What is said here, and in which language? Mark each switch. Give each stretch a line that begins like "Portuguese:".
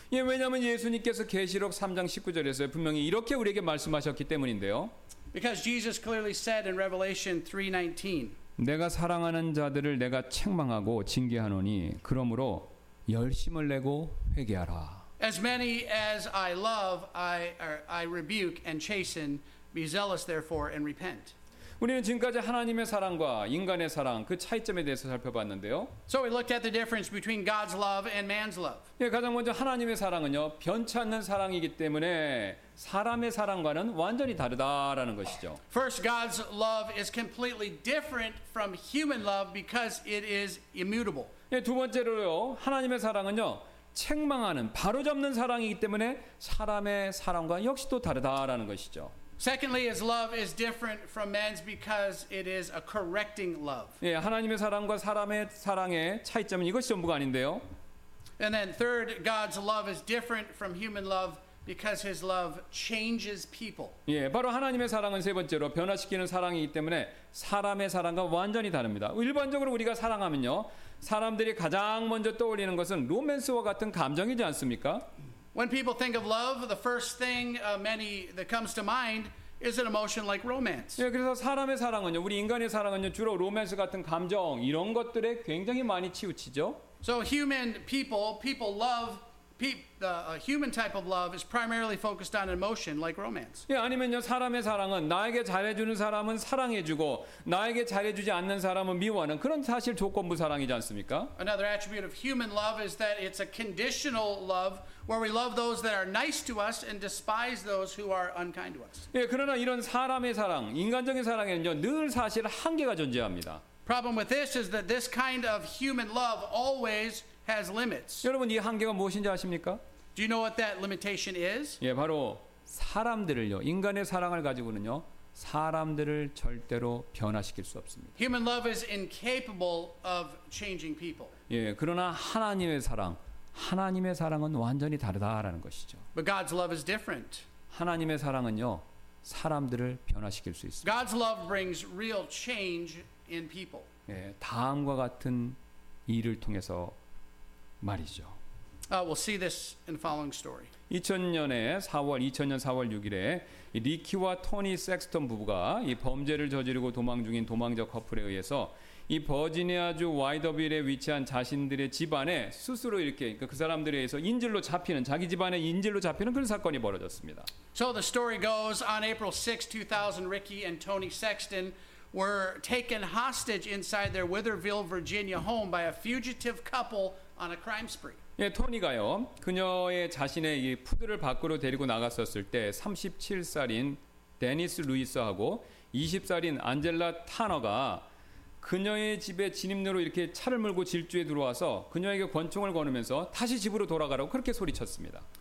Korean: 예, 왜냐하면 예수님께서 계시록 3장 19절에서 분명히 이렇게 우리에게 말씀하셨기 때문인데요.
English: Because Jesus clearly said in Revelation 3:19.
Korean: 내가 사랑하는 자들을 내가 책망하고 징계하노니 그러므로 열심을 내고 회개하라.
English: As many as I love, I rebuke and chasten. Be zealous therefore and repent.
Korean: 우리는 지금까지 하나님의 사랑과 인간의 사랑 그 차이점에 대해서 살펴봤는데요.
English: So we looked at the difference between God's love and man's love.
Korean: 예, 가장 먼저 하나님의 사랑은요, 변치 않는 사랑이기 때문에 사람의 사랑과는 완전히 다르다라는 것이죠.
English: First, God's love is completely different from human love because it is immutable.
Korean: 예, 두 번째로요, 하나님의 사랑은요, 책망하는, 바로잡는 사랑이기 때문에 사람의 사랑과 역시 또 다르다라는 것이죠.
English: Secondly, his love is different from man's because it is a correcting love.
Korean: 예, 하나님의 사랑과 사람의 사랑의 차이점은 이것이 전부가 아닌데요.
English: And then third, God's love is different from human love because his love changes people.
Korean: 예, 바로 하나님의 사랑은 세 번째로 변화시키는 사랑이기 때문에 사람의 사랑과 완전히 다릅니다. 일반적으로 우리가 사랑하면요, 사람들이 가장 먼저 떠올리는 것은 로맨스와 같은 감정이지 않습니까?
English: When people think of love, the first thing many that comes to mind is an emotion like romance.
Korean: 예, 그래서 사람의 사랑은요, 우리 인간의 사랑은요, 주로 로맨스 같은 감정 이런 것들에 굉장히 많이 치우치죠.
English: So human type of love is primarily focused on emotion like romance.
Korean: 예, 아니면요, 사람의 사랑은 나에게 잘해주는 사람은 사랑해주고 나에게 잘해주지 않는 사람은 미워하는 그런 사실 조건부 사랑이지 않습니까?
English: Another attribute of human love is that it's a conditional love. Where we love those that are nice to us and despise those who are unkind to us.
Korean: 예, 그러나 이런 사람의 사랑, 인간적인 사랑에는요, 늘 사실 한계가 존재합니다.
English: Problem with this is that this kind of human love always has limits.
Korean: 여러분, 이 한계가 무엇인지 아십니까?
English: Do you know what that limitation is?
Korean: 예, 바로 사람들을요, 인간의 사랑을 가지고는요, 사람들을 절대로 변화시킬 수 없습니다.
English: Human love is incapable of changing people.
Korean: 예, 그러나 하나님의 사랑 하나님의 사랑은 완전히 다르다라는 것이죠.
English: But God's love is different.
Korean: 하나님의 사랑은요, 사람들을 변화시킬 수 있습니다.
English: God's love brings real change in people.
Korean: 예, 다음과 같은 일을 통해서 말이죠.
English: We'll see this in the following story.
Korean: 2000년 4월 6일에 리키와 토니 섹스턴 부부가 이 범죄를 저지르고 도망 중인 도망자 커플에 의해서 이 버지니아주 와이더빌에 위치한 자신들의 집안에 스스로 이렇게 그러니까 그 사람들에 의해서 인질로 잡히는 자기 집안에 인질로 잡히는 그런 사건이 벌어졌습니다.
English: So the story goes on April 6, 2000 Ricky and Tony Sexton were taken hostage inside their Witherville, Virginia home by a fugitive couple on a crime spree.
Korean: 예, 토니가요. 그녀의 자신의 이 푸들을 밖으로 데리고 나갔었을 때 37살인 데니스 루이스하고 20살인 안젤라 타너가 그녀의 집에 진입로로 이렇게 차를 몰고 질주에 들어와서 그녀에게 권총을 거누면서 다시 집으로 돌아가라고 그렇게 소리쳤습니다.